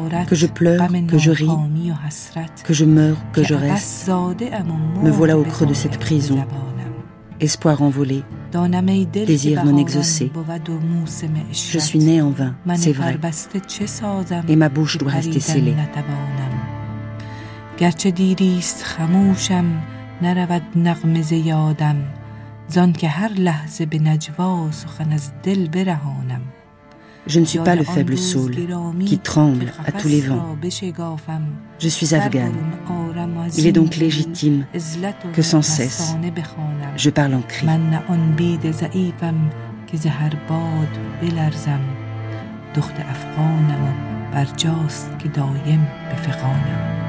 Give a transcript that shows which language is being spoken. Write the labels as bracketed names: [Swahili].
[French] que je pleure, que je ris que je meurs, que je reste me voilà au creux de cette prison espoir envolé désir non exaucé je suis né en vain, c'est vrai et ma bouche doit rester scellée [Persian] گرچه دیریست خموشم نرود نغمه زیادم زان که هر لحظه به نجوا سخن از دل برهانم [French] Je ne suis pas le faible saule qui tremble à tous les vents. Je suis afghane. Il est donc légitime que sans cesse je parle en cri. [Persian] من آن بید ضعیفم که ز هر باد بلرزم دخت افغانم و برجاست که دایم به فغانم